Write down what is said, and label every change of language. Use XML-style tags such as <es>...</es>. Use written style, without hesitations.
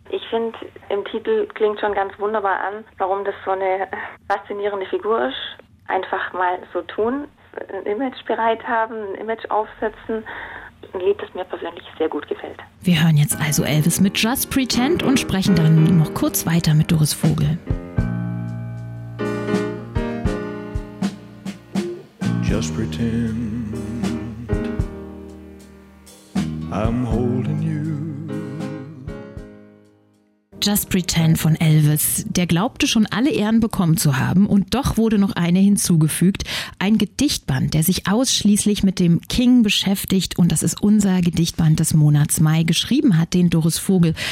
<de>Ich finde, im Titel klingt schon ganz wunderbar an, warum das so eine faszinierende Figur ist. Einfach mal so tun, ein Image bereit haben, ein Image aufsetzen. Ein Lied, das mir persönlich sehr gut gefällt. Wir hören jetzt also Elvis mit Just Pretend und sprechen dann noch kurz weiter mit Doris Vogel.</de> <en>Just pretend I'm holding you.</en> <de>Just Pretend von Elvis, der glaubte schon alle Ehren bekommen zu haben und doch wurde noch eine hinzugefügt. Ein Gedichtband, der sich ausschließlich mit dem King beschäftigt und das ist unser Gedichtband des Monats Mai, geschrieben hat den Doris Vogel.</de>